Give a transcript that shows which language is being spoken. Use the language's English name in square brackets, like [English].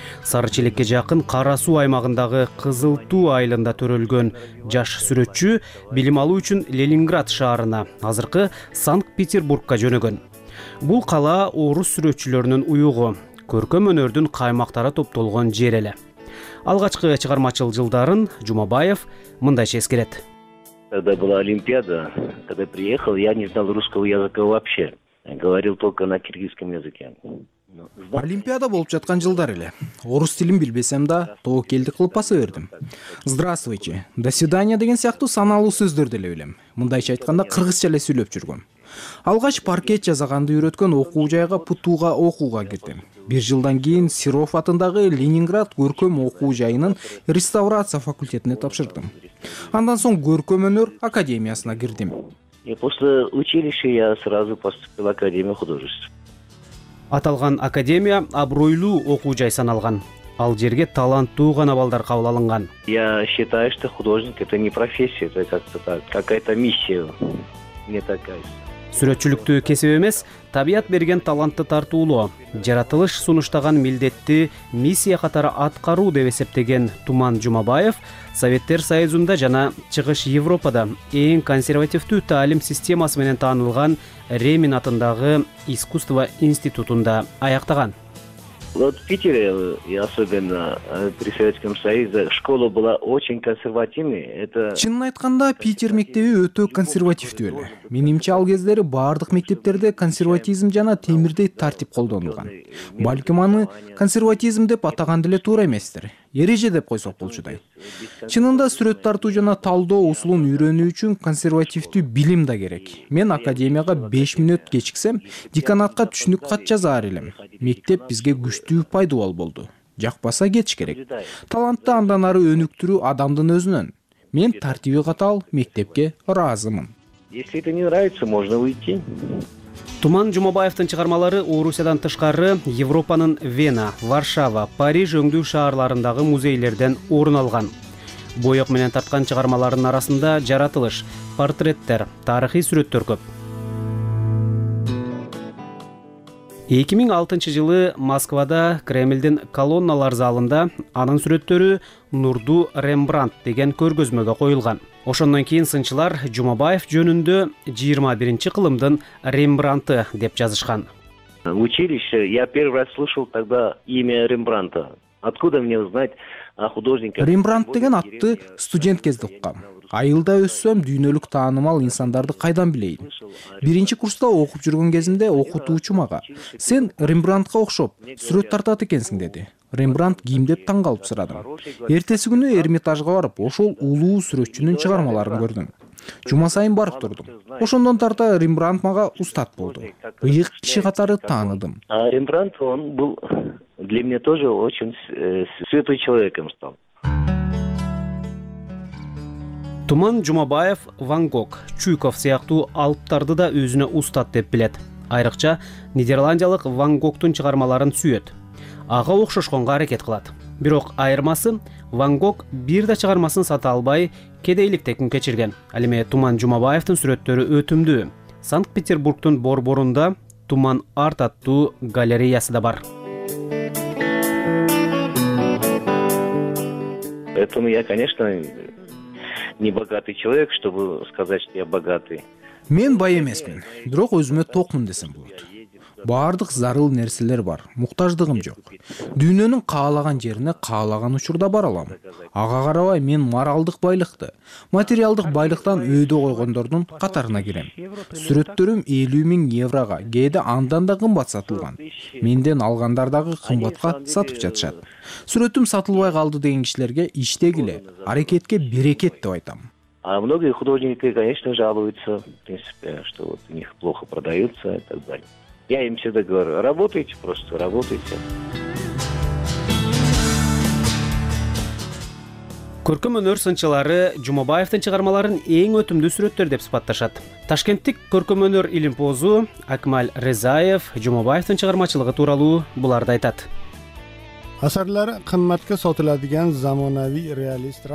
[Kyrgyz] Сары Челекке жакын Кара Суу аймагындагы Кызыл Туу айылында төрөлгөн жаш сүрөтчү билим алуу үчүн Ленинград шаарына, азыркы Санкт-Петербургка жөнөгөн. Бул кала орус сүрөтчүлөрүнүн уюгу, көркөм өнөрдүн каймактары топтолгон жер эле. Алгачкы чыгармачыл жылдарын Жумабаев мындайча эскерет. [Russian] Когда была Олимпиада, когда приехал, я не знал русского языка вообще. Говорил только на киргизском языке. [Kyrgyz] Олимпиада болуп жаткан жылдар эле. Орус тилин билбесем да, тоокелди кылып баса бердим. [Russian] Здравствуйте, до свидания [Kyrgyz] деген сыяктуу саналуу сөздөрдү эле билем. Мындайча айтканда, кыргызча эле сүйлөп жүргөм. Алгач паркет жасаганды үйрөткөн окуу жайга ПТУ-га окууга кирдим. Бир жылдан кийин Сиров атындагы Ленинград көркөм окуу жайынын реставрация факультетине тапшырдым. Андан соң көркөм өнөр академиясына кирдим. [Russian] После училища я сразу поступил в Академию художеств. [Kyrgyz] Аталган академия абройлуу окуу жай саналган. Ал жерге таланттуу гана балдар кабыл алынган. [Russian] Я считаю, что художник это не профессия, это как-то так, какая-то миссия. Не такая. [Kyrgyz] Сүрөтчүлүктү кесип эмес, табият берген талантты тартуулоо, жаратылыш сунуштаган милдетти миссия катары аткаруу деп эсептеген Туман Жумабаев Советтер Союзунда жана Чыгыш Европада эң консервативдүү таалим системасы менен таанылган Ремин атындагы искусство институтунда аяктаган. [Russian] Вот в Питере, и особенно при Советском Союзе, школа была очень консервативной. Это [Kyrgyz] чынын айтканда, Питер мектеби өтө консервативдүү эле. Менимче ал кездери бардык мектептерде консерватизм жана темирдей тартип колдонулган. Балким аны консерватизм деп атаган деле туура эместир. Эреже деп койсок болчудай. Чынында сүрөт тартуу жана талдоо усулун үйрөнүү үчүн консервативдүү билим да керек. Мен академияга 5 мүнөт кечиксем, деканатка түшүнүк кат жазар элем. Мектеп бизге күчтүү пайдубал болду. Жакпаса кетиш керек. Талантты андан ары өнүктүрүү адамдын өзүнөн. Мен тартиби катаал мектепке ыраазымын. [Russian] Если это не нравится, можно уйти. [Kyrgyz] Туман Жумабаевдин чыгармалары Орусиядан тышкары Европанын Вена, Варшава, Париж өңдүү шаарларындагы музейлерден орун алган. Боёк менен тарткан чыгармаларынын арасында жаратылыш, портреттер, тарыхый сүрөттөр көп. 2006 жылы Москвада Кремлдин колонналар залында анын сүрөттөрү Нурду Рембрандт деген көргөзмөгө коюлган. Ошондон кийин сынчылар Жумабаев жөнүндө 21-чи кылымдын Рембрандты деп жазышкан. [Russian] В училище я первый раз слышал тогда имя Рембрандта. Откуда мне узнать, [Kyrgyz] Рембрандт деген атты студент кезде уккам. Айылда өссөм дүйнөлүк таанымал инсандарды кайдан билейин. Биринчи курста окуп жүргөн кезимде окутуучум ага: «Сен Рембрандтка окшоп, сүрөт тартат экенсиң» деди. Рембрандт кимдеп таңкалып сурадым. Эртеси күнү Эрмитажга барып, ошол улуу сүрөтчүнүн чыгармаларын көрдүм. Жума сайын барып турдум. Ошондон тарта Рембрандт мага устат болду. Ыйык киши катары тааныдым. [Russian] Рембрандт он был для меня тоже очень святой человеком стал. [Kyrgyz] Туман Жумабаев Ван Гог, Чуйков сыяктуу алыптарды да өзүнө устат деп билет. Айрыкча нидерландиялык Ван Гогтун чыгармаларын сүйөт. Ага окшошконго аракет кылат. Бирок айырмасы, Ван Гог бир да чыгармасын сата албай кедейликте күн кечирген. Ал эми Туман Жумабаевдин сүрөттөрү өтүмдүү. Санкт-Петербургтун борборунда Туман Арт аттуу галереясы да бар. [Russian] Этому я, конечно, не богатый человек, чтобы сказать, что я богатый. [Kyrgyz] Мен бай эмесмин, бирок өзүмө токмун десем болот. Бардык зарыл нерселер бар, муктаждыгым жок. Дүйнөнүн каалаган жерине каалаган учурда бара алам. Ага карабай мен моралдык байлыкты, материалдык байлыктан өйдө койгондордун катарына кирем. Сүрөттөрүм 50,000 еврога, кээде андан да кымбат сатылган. Менден алгандар дагы кымбатка сатып жатышат. Сүрөтүм сатылбай калды деген кишилерге иштегиле, аракетке берекет деп айтам. [Russian] А многие художники, конечно, жалуются, в принципе, что вот у них плохо продаются и так далее. Я им всегда говорю: работайте, просто работайте. [Kyrgyz] Көркөм өнөр сынчылары Жумабаевдин чыгармаларын эң өтүмдүү сүрөттөр деп сыпатташат. Ташкенттик көркөм өнөр илимпозу Акмал Рязаев Жумабаевдин чыгармачылыгы тууралуу буларды айтат. [Uzbek] Асарлары кымбатка сатыладыган заманавий реалист.